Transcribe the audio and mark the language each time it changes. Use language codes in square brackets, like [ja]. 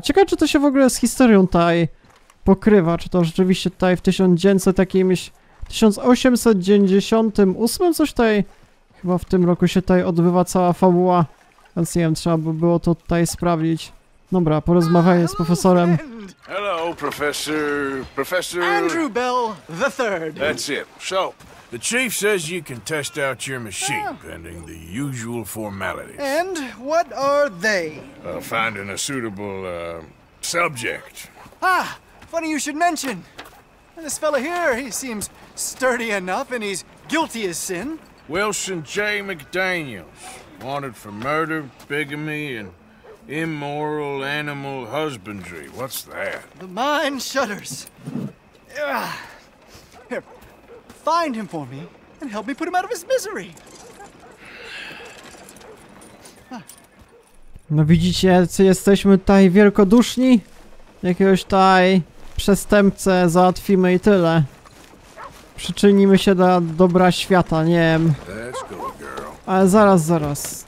[pl] Ciekawe, czy to się w ogóle z historią tutaj pokrywa, czy to rzeczywiście tutaj w 1898 coś tutaj chyba w tym roku się tutaj odbywa cała fabuła, więc nie wiem, trzeba by było to tutaj sprawdzić. Dobra, porozmawiajmy z profesorem. [en] Hello, professor. Professor Andrew Bell the Third. That's it. So the chief says you can test out your machine, pending the usual formalities. And what are they? Finding a suitable, subject. Ah, funny you should mention. And this fella here, he seems sturdy enough, and he's guilty of sin. Wilson J. McDaniels, wanted for murder, bigamy, and immoral animal husbandry. What's that? The mind shudders. Find him for me, and help me put him out of his misery. [pl] No widzicie, co jesteśmy tutaj wielkoduszni? Jakiegoś tutaj przestępcę załatwimy i tyle. Przyczynimy się do dobra świata, nie wiem. Ale zaraz.